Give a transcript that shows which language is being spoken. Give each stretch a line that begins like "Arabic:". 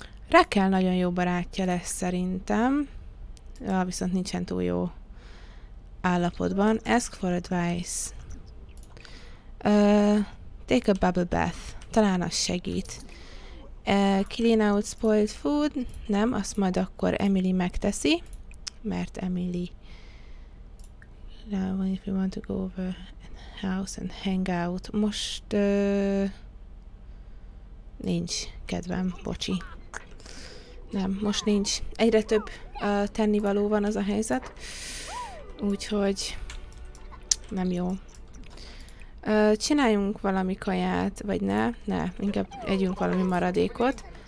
Hungarian: Raquel nagyon jó barátja lesz szerintem. Ja, viszont nincsen túl jó állapotban.
English: Ask for advice. Take a bubble bath.
Hungarian: Talán az segít.
English: Clean out spoiled food.
Hungarian: Nem, azt majd akkor Emily megteszi. Mert Emily.
English: Now if you want to go over the house and hang out.
Hungarian: Most nincs kedvem, bocsi. Nem, most nincs. Egyre több tennivaló van az a helyzet. Úgyhogy nem jó. Csináljunk valami kaját, vagy ne? Ne, inkább együnk valami maradékot.